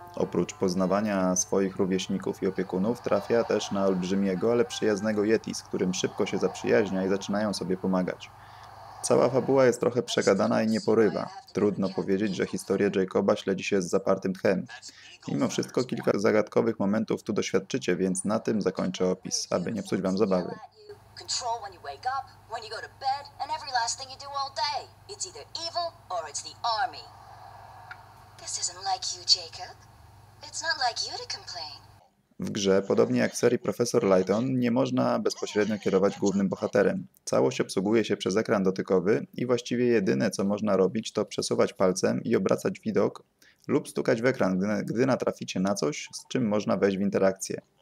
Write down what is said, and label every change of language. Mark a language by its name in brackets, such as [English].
[Polish] Oprócz poznawania swoich rówieśników i opiekunów, trafia też na olbrzymiego, ale przyjaznego Yeti, z którym szybko się zaprzyjaźnia i zaczynają sobie pomagać. Cała fabuła jest trochę przegadana i nie porywa. Trudno powiedzieć, że historię Jacoba śledzi się z zapartym tchem. Mimo wszystko kilka zagadkowych momentów tu doświadczycie, więc na tym zakończę opis, aby nie psuć wam zabawy. [English] Control when you wake up, when you go to bed, and every last thing you do all day. It's either evil or it's the army. This isn't like you, Jacob. It's not like you to complain. [Polish] W grze, podobnie jak w serii Professor Layton, nie można bezpośrednio kierować głównym bohaterem. Całość obsługuje się przez ekran dotykowy i właściwie jedyne, co można robić, to przesuwać palcem i obracać widok lub stukać w ekran, gdy natraficie na coś, z czym można wejść w interakcję.